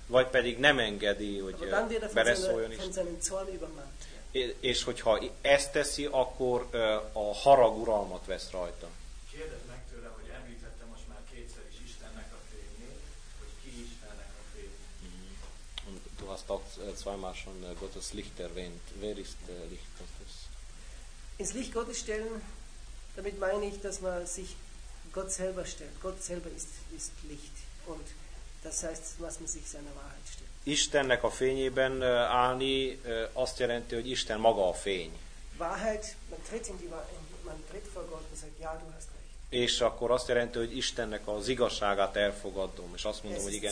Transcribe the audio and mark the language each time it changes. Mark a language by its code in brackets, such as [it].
[hu] Vagy pedig nem engedi, hogy bereszóljon Isten. És hogyha ezt teszi, akkor a harag uralmat vesz rajta. Kérdez meg tőle, hogy említette most már kétszer is Istennek a fényét, hogy ki Istennek a fényét. [de] Du hast auch zweimal schon Gottes Licht erwähnt. Wer ist Licht Gottes? Ins Licht Gottes stellen, damit meine ich, dass man sich Gott selber stellt. Gott selber ist Licht. Und das heißt, was man sich seiner Wahrheit stellt. [hu] Istennek a fényében állni azt jelenti, hogy Isten maga a fény. [de] Wahrheit, man tritt vor Gott und sagt, ja, du hast recht. [hu] És akkor azt jelenti, hogy Istennek az igazságát elfogadom, és azt mondom, hogy igen,